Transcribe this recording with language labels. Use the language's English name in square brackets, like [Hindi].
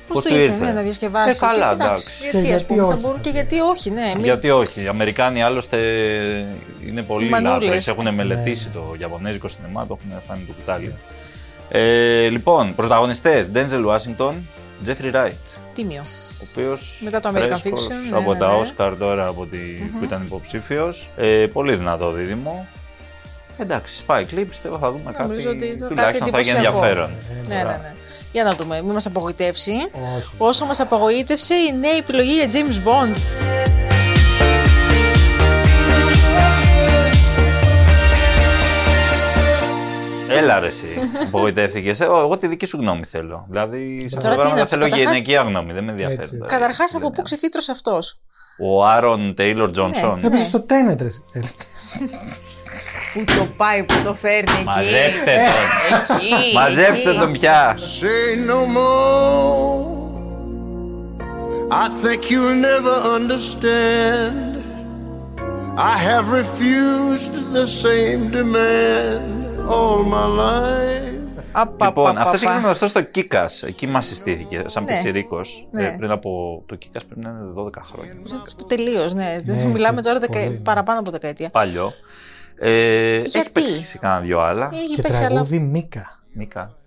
[Greek] Πώς το ήρθε, ναι, να διασκευάσει. Καλά, και, εντάξει. Γιατί όχι. Θα μπορούν και γιατί όχι, ναι. Γιατί όχι. Οι Αμερικάνοι άλλωστε είναι πολύ λάτρες. Έχουν μελετήσει το Ιαπωνέζικο σινεμά, το έχουν φάνει το κουτάλι. Λοιπόν, πρωταγωνιστές: Denzel Washington, Jeffrey Wright. Τίμιο. Ο οποίος. Μετά το American Fiction. Από τα Oscar τώρα από τη, που ήταν υποψήφιος. Πολύ δυνατό δίδυμο. Εντάξει, Spike Lee, πιστεύω θα δούμε κάτι. Νομίζω ότι τουλάχιστον θα έχει ενδιαφέρον. Για να δούμε, μην μας απογοητεύσει. Όσο μας απογοήτευσε η νέα επιλογή για James Bond. Έλα ρε εσύ, απογοητεύτηκες. Εγώ τη δική σου γνώμη θέλω. Δηλαδή, σε αυτό το πράγμα θέλω γενική γνώμη, δεν με ενδιαφέρει. Καταρχάς, από πού ξεφύτρωσε αυτός? Ο Άρον Τέιλορ Τζόνσον. Έπεσε στο Tenet, ρε. Πού το πάει, πού το φέρνει εκεί. Μαζέψτε τον. Εκεί. Μαζέψτε εκεί. Τον πια. [English] Say no more. I think you'll never understand. I have refused the same demand all my life. [Greek] Λοιπόν, αυτός έχει γνωριστεί στο Kick-Ass. Εκεί μας συστήθηκε σαν πιτσιρίκος. Ναι. Πριν από το Kick-Ass πρέπει να είναι 12 χρόνια. Τελείως, ναι. Ναι. Μιλάμε τώρα παραπάνω από δεκαετία. Παλιό. Γιατί? Έχει παίξει κανένα δυο άλλα. Και τραγούδι Μίκα. Μίκα.